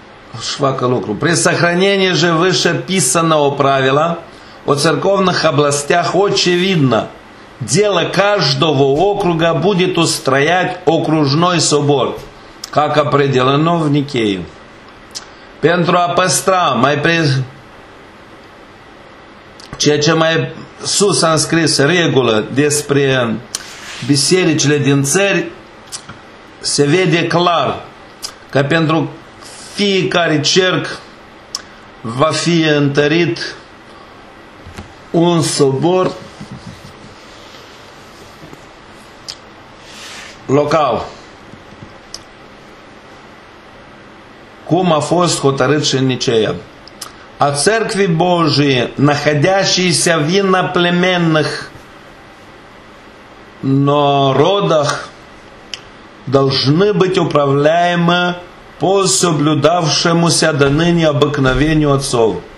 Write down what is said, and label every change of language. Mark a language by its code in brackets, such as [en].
[ru] При сохранении же вышеписанного правила о церковных областях очевидно, дело каждого округа будет устроять окружной собор, как определено в Никее. [ro] Pentru a păstra mai ceea ce mai sus am scris regulă despre bisericile din țări, se vede clar că pentru fiecare cerc va fi întărit un sobor local, cum a fost hotărât și în Niceea. [ru] A Țărcvii Божии, находящейся в иноплеменных народах, должны быть управляемы по соблюдавшемуся до ныне обыкновению отцов.